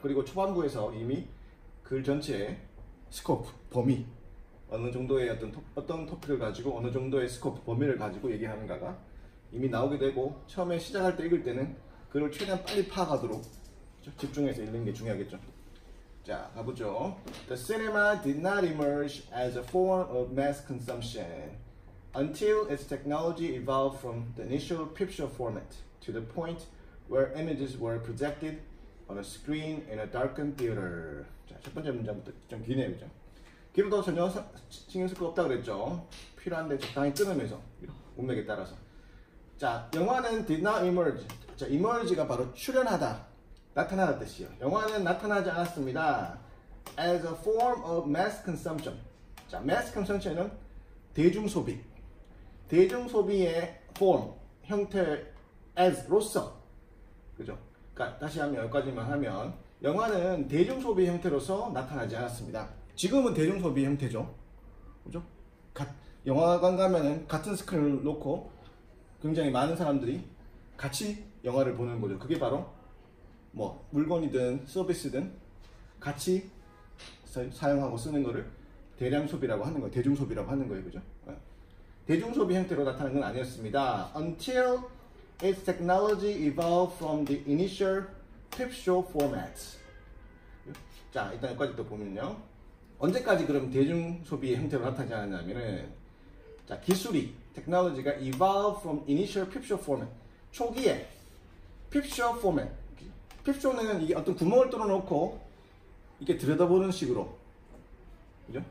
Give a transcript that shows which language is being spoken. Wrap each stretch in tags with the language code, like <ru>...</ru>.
<ko>그리고 초반부에서 이미 글 전체의 스코프, 범위 어느 정도의 어떤 토픽을 가지고 어느 정도의 스코프, 범위를 가지고 얘기하는가가 이미 나오게 되고 처음에 시작할 때 읽을 때는 글을 최대한 빨리 파악하도록 그렇죠? 집중해서 읽는 게 중요하겠죠. 자, 가보죠.</ko> <en>The cinema did not emerge as a form of mass consumption until its technology evolved from the initial picture format to the point where images were projected on a screen in a darkened theater.</en> <ko>자, 첫 번째 문장부터 좀 기네요, 그죠? 길어도 전혀 신경 쓸 거 없다 그랬죠. 필요한데 적당히 끊으면서 문맥에 따라서. 자, 영화는</ko> <en>did not emerge.</en> <ko>자, emerge가 바로 출현하다, 나타나다 뜻이에요. 영화는 나타나지 않았습니다.</ko> <en>As a form of mass consumption. 자, mass consumption은</en> <ko>대중 소비. 대중 소비의 form, 형태 as로서. 그죠? 그러니까 다시 한번 여기까지만 하면 영화는 대중 소비 형태로서 나타나지 않았습니다. 지금은 대중 소비 형태죠. 그죠? 영화관 가면은 같은 스크린을 놓고 굉장히 많은 사람들이 같이 영화를 보는 거죠. 그게 바로 뭐 물건이든 서비스든 같이 사용하고 쓰는 거를 대량 소비라고 하는 거예요. 대중 소비라고 하는 거예요. 그죠? 대중 소비 형태로 나타난 건 아니었습니다.</ko> <en>Until its technology evolved from the initial peep show format.</en> <ko>자, 일단 여기까지 또 보면요. 언제까지 그럼 대중 소비의 형태로 나타나지 않았냐면은 자, 기술이 technology가</ko> <en>evolve from initial peep show format.</en> <ko>초기에</ko> <en>peep show format.</en> <ko>peep show는 이게 어떤 구멍을 뚫어 놓고 이렇게 들여다보는 식으로 그죠?</ko>